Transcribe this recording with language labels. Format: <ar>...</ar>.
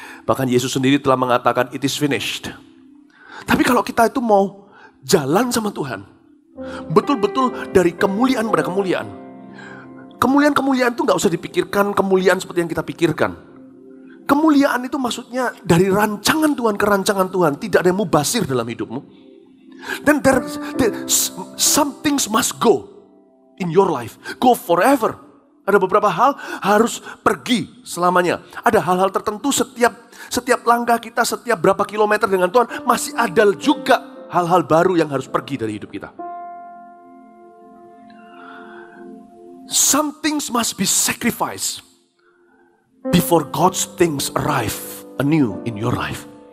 <id>Bahkan Yesus sendiri telah mengatakan,</id> <en>it is finished.</en> <id>Tapi kalau kita itu mau jalan sama Tuhan, betul-betul dari kemuliaan pada kemuliaan. Kemuliaan-kemuliaan itu gak usah dipikirkan kemuliaan seperti yang kita pikirkan. Kemuliaan itu maksudnya dari rancangan Tuhan ke rancangan Tuhan, tidak ada yang mubasir dalam hidupmu.</id> <en>Then some things must go in your life, go forever.</en> <id>Ada beberapa hal harus pergi selamanya. Ada hal-hal tertentu setiap langkah kita, setiap berapa kilometer dengan Tuhan, masih ada juga hal-hal baru yang harus pergi dari hidup kita.</id> <en>Some things must be sacrificed before God's things arrive anew in your life.</en>